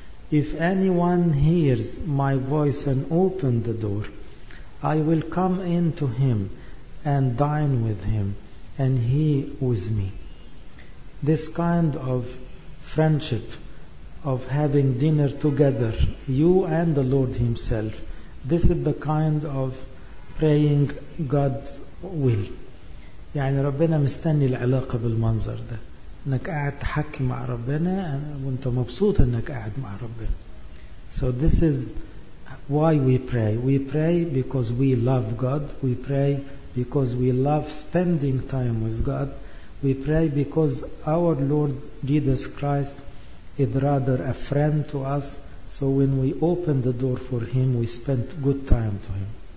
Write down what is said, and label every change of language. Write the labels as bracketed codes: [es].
[en] If anyone hears my voice and opens the door, I will come in to him and dine with him, and he with me." This kind of friendship, of having dinner together, you and the Lord Himself, this is the kind of praying God's will. [ar] يعني ربنا مستني العلاقة بالمنظر ده, انك قاعد تحكي مع ربنا وانت مبسوط انك قاعد مع ربنا. [en] So this is why we pray. We pray because we love God. We pray because we love spending time with God. We pray because our Lord Jesus Christ is rather a friend to us. So when we open the door for Him, we spend good time to Him.